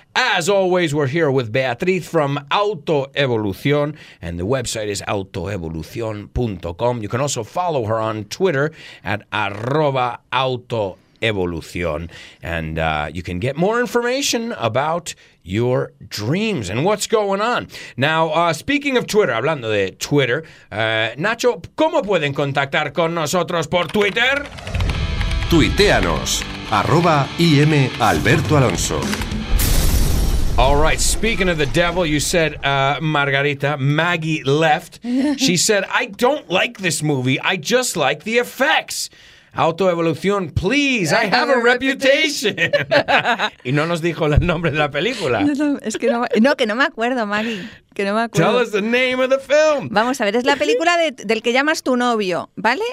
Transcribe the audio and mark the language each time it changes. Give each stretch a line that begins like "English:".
English: As always, we're here with Beatriz from Auto Evolution, and the website is autoevolucion.com. You can also follow her on Twitter at @autoevolucion. Evolution. And you can get more information about your dreams and what's going on. Now, speaking of Twitter,
Spanish: hablando de Twitter, Nacho, ¿cómo pueden contactar con nosotros por Twitter? Tuiteanos, @IMAlbertoAlonso.
English: All right, speaking of the devil, you said Margarita, Maggie left. She said, I don't like this movie, I just like the effects. Autoevolución, please, I have a reputation.
Spanish: Y no nos dijo el nombre de la película. No, que no me acuerdo, Maggie. Que no me acuerdo.
English: Tell us the name of the film.
Spanish: Vamos a ver, es la película de, del que llamas tu novio, ¿vale?